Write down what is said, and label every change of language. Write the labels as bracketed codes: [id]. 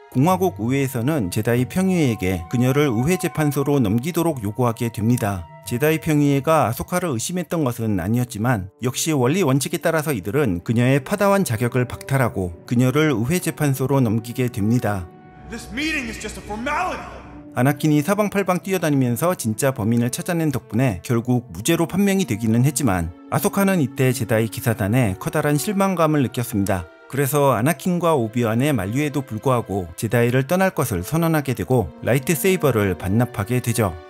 [ko] 공화국 의회에서는 제다이 평의회에게 그녀를 의회 재판소로 넘기도록 요구하게 됩니다. 제다이 평의회가 아소카를 의심했던 것은 아니었지만 역시 원리 원칙에 따라서 이들은 그녀의 파다완 자격을 박탈하고 그녀를 의회 재판소로 넘기게 됩니다. [en] This meeting is just a formality. [ko] 아나킨이 사방팔방 뛰어다니면서 진짜 범인을 찾아낸 덕분에 결국 무죄로 판명이 되기는 했지만 아소카는 이때 제다이 기사단에 커다란 실망감을 느꼈습니다. 그래서 아나킨과 오비완의 만류에도 불구하고 제다이를 떠날 것을 선언하게 되고 라이트세이버를 반납하게 되죠.